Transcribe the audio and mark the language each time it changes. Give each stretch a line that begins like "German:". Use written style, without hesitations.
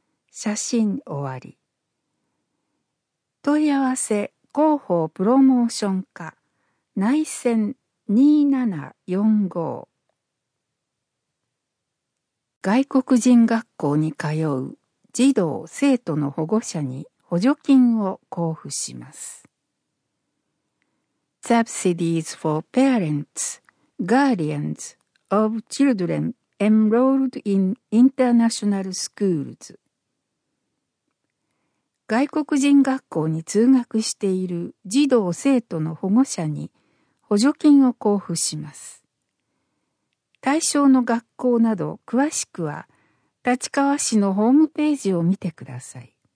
Japanese: 写真終わり。問い合わせ広報プロモーション課内線2745。外国人学校に通う児童・生徒の保護者に補助金を交付します。
English: Subsidies for parents, guardians of children enrolled in international schools.
Japanese: 外国人学校に通学している児童・生徒の保護者に補助金を交付します。対象の学校など詳しくは立川市のホームページを見てください。